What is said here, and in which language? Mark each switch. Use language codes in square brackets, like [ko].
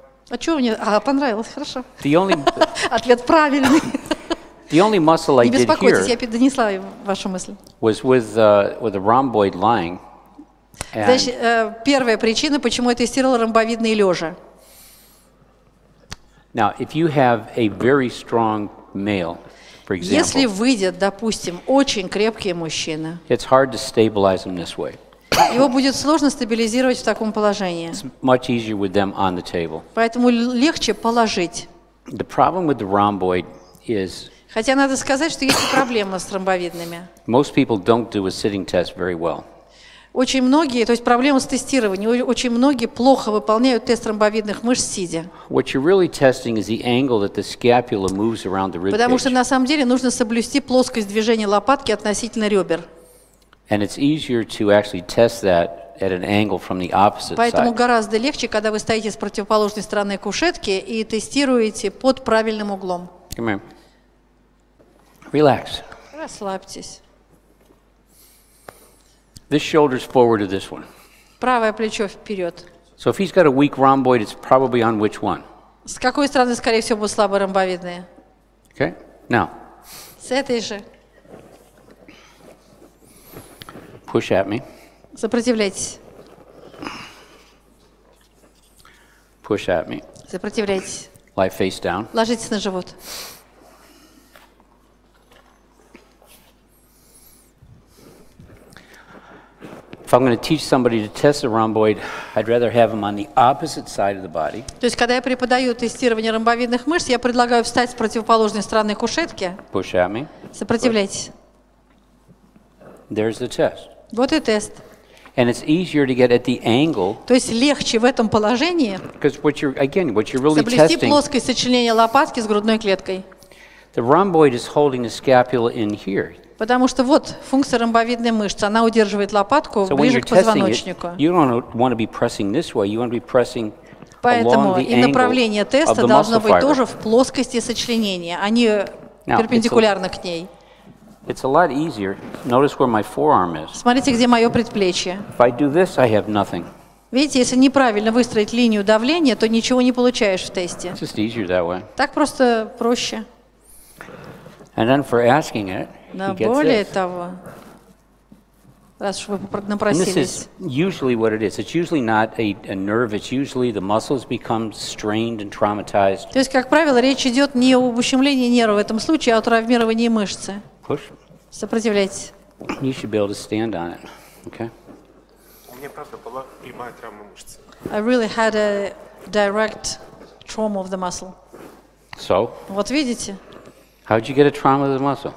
[ru] А что мне? А, понравилось, хорошо. Ответ правильный. [en] The only muscle I [ru] не беспокойтесь, я донесла вашу мысль. [en] Was with the rhomboid lying. [ru] Значит, первая причина, почему я тестировала ромбовидные лежа. [en] Now, if you have a very strong male, for example. [ru] Если выйдет, допустим, очень крепкий мужчина. [en] It's hard to stabilize him this way. [ru] Его будет сложно стабилизировать в таком положении. [en] Much easier with them on the table. [ru] Поэтому легче положить. [en] The problem with the rhomboid is. [ru] Хотя надо сказать, что есть проблема с ромбовидными. [en] Most people don't do a sitting test very well. [ru] Очень многие, то есть проблема с тестированием, очень многие плохо выполняют тест ромбовидных мышц сидя. [en] What you're really testing is the angle that the scapula moves around the rib cage. [ru] Потому что на самом деле нужно соблюсти плоскость движения лопатки относительно ребер. [en] And it's easier to actually test that at an angle from the opposite [ru] Поэтому гораздо легче, когда вы стоите с противоположной стороны кушетки и тестируете под правильным углом. [en] Come on. Relax. [ru] Расслабьтесь. [en] This shoulder's forward to this one. [ru] Правое плечо вперед. [en] So if he's got a weak rhomboid, it's probably on which one? [ru] С какой стороны, скорее всего, будет слабо ромбовидное? [en] Okay. Now. [ru] С этой же. [en] Push at me. [ru] Сопротивляйтесь. [en] Push at me. [ru] Сопротивляйтесь. [en] Lie face down. [ru] Ложитесь на живот. [en] If I'm going to teach somebody to test a rhomboid, I'd rather have them on the opposite side of the body. [ru] То есть, когда я преподаю тестирование ромбовидных мышц, я предлагаю встать с противоположной стороны кушетки. [en] Push at me. [ru] Сопротивляйтесь. [en] There's the test. [ru] Вот и тест. [en] And it's easier to get at the angle. [ru] То есть легче в этом положении. [en] Because what you're again, what you're really testing. [ru] Соблюсти плоское сочленение лопатки с грудной клеткой. [en] The rhomboid is holding the scapula in here. [ru] Потому что вот функция ромбовидной мышцы, она удерживает лопатку ближе к позвоночнику. [en] You don't want to be pressing this way. You want to be pressing along the [ru] Поэтому и направление теста должно быть тоже в плоскости сочленения, а не перпендикулярно к ней. [en] It's a lot easier. Notice where my forearm is. [ru] Смотрите, где мое предплечье. [en] If I do this, I have nothing. [ru] Видите, если неправильно выстроить линию давления, то ничего не получаешь в тесте. [en] It's just easier that way. [ru] Так просто проще. [en] And then for asking it, [ru] Но [en] he gets [ru] более [en] this. [ru] Того, раз уж вы напросились. [en] This is usually what it is. It's usually not a nerve. It's usually the muscles become strained and traumatized. [ru] То есть, как правило, речь идет не об ущемлении нерва в этом случае, а о травмировании мышцы. [en] Push. [ru] Сопротивляйтесь. [en] You should be able to stand on it. Okay. [ru] У меня правда была прямая травма мышцы. [en] I really had a direct trauma of the muscle. So? [ru] Вот видите? [en] How did you get a trauma of the muscle?